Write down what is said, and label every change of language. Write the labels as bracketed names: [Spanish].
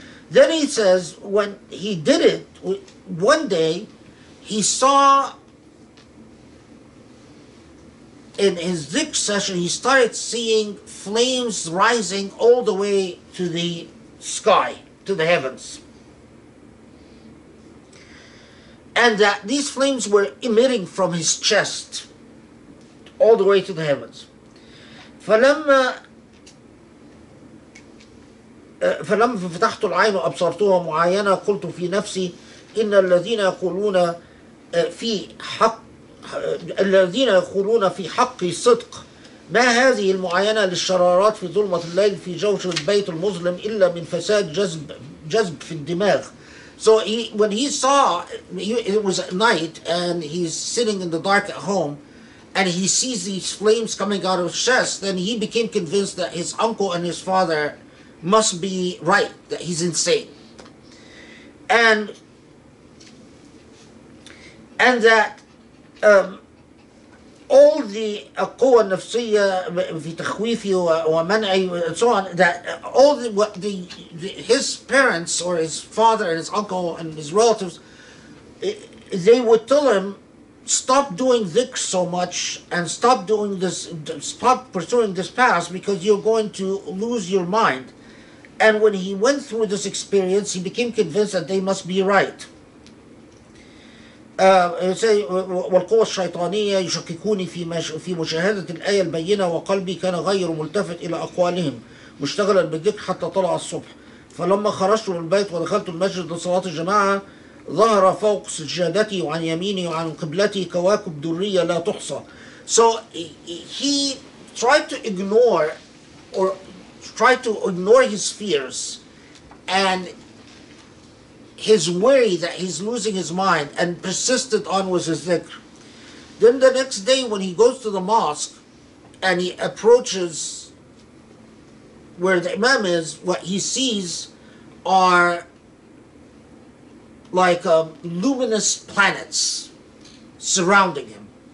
[English] Then he says, when he did it, one day he saw in his dhikr session, he started seeing flames rising all the way to the sky, to the heavens. And that these flames were emitting from his chest all the way to the heavens. [Arabic] فَلَمَّا فَتَحْتُ الْعَيْنُ أَبْصَرْتُهَا مُعَيَّنَا قُلْتُ فِي نَفْسِي إِنَّ الَّذِينَ يَقُولُونَ فِي حَقِّ الَّذِينَ يَقُولُونَ فِي حَقِّي صِدْقٌ ما هذه المعاينة للشرارات في ظلمة الليل في جوش البيت المظلم إلا من فساد جذب في الدماغ. [English] So he, when he saw, it was at night and he's sitting in the dark at home and he sees these flames coming out of his chest, then he became convinced that his uncle and his father must be right, that he's insane. And and that all the [Arabic] قوة النفسية في تخويفي ومنعي [English] and so on, that all the, what the his parents or his father and his uncle and his relatives, they would tell him, stop doing this so much and stop doing this, stop pursuing this path because you're going to lose your mind. And when he went through this experience, he became convinced that they must be right. [Arabic] Say والقوة الشيطانية يشككوني في في مشاهدة الآية البينة وقلبي كان غير ملتفت إلى أقوالهم مشتغلا بالذكر حتى طلع الصبح فلما خرجت من البيت ودخلت المسجد لصلاة الجماعة ظهر فوق سجادتي وعن يميني وعن قبلتي كواكب درية لا تحصى. [English] So he tried to ignore or tried to ignore his fears and his worry that he's losing his mind and persisted on with his dhikr. Then the next day when he goes to the mosque and he approaches where the imam is, what he sees are like luminous planets surrounding him.